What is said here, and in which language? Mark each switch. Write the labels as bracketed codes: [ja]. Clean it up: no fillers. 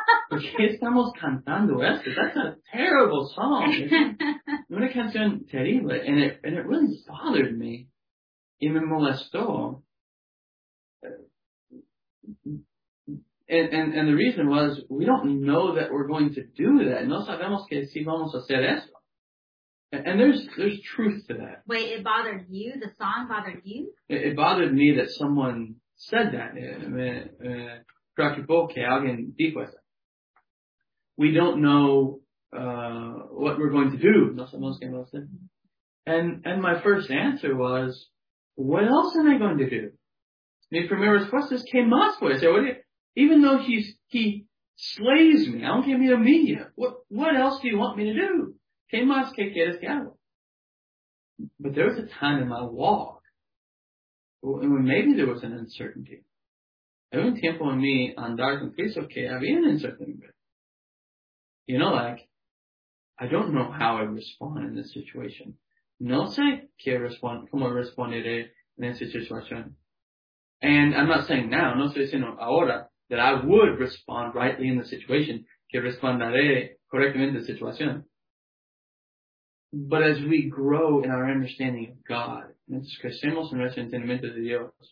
[es] ¿Por qué estamos cantando esto? [en] That's a terrible song. [es] Una canción terrible. [en] And it really bothered me. [es] Y me molestó. [en] And the reason was, we don't know that we're going to do that. [es] No sabemos que si vamos a hacer eso. [en] And there's truth to that. Wait, it bothered you? The song bothered you? It bothered me that someone said that. [es] Me preocupó que alguien dijo eso. [en] We don't know what we're going to do. [es] No sabemos qué vamos a hacer. [en] And my first answer was, what else am I going to do? [es] Mi primera respuesta es, ¿qué más voy a hacer? [en] Even though he slays me, I don't give me a media. What else do you want me to do? [es] ¿Qué más que quieres que haga? [en] But there was a time in my walk when maybe there was an uncertainty. [es] Hay un tiempo en mi andar con Cristo que había una incertidumbre. [en] You know, like, I don't know how I respond in this situation. [es] No sé qué respond, cómo responderé en esta situación. [en] And I'm not saying now, [es] no estoy diciendo ahora, [en] that I would respond rightly in the situation, [es] que responderé correctamente en la situación. [en] But as we grow in our understanding of God, [es] mientras crecemos en nuestro entendimiento de Dios,